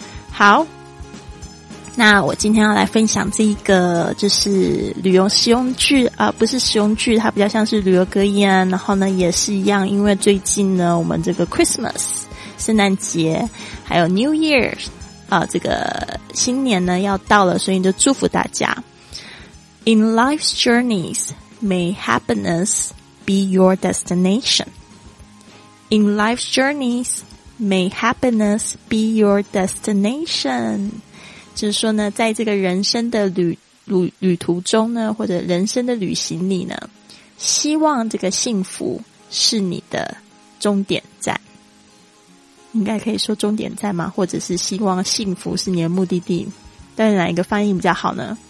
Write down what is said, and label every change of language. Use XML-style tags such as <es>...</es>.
<zh>好，那我今天要来分享这一个就是旅游实用句啊，不是实用句，它比较像是旅游格言。然后呢也是一样，因为最近呢我们这个 Christmas 圣诞节还有 New Year 啊，这个新年呢要到了，所以就祝福大家。</zh> <en>In life's journeys may happiness be your destination. In life's journeys may happiness be your destination.</en> <zh>就是说呢在这个人生的旅途中呢，或者人生的旅行里呢，希望这个幸福是你的终点站，应该可以说终点站吗？或者是希望幸福是你的目的地，到底哪一个翻译比较好呢？</zh>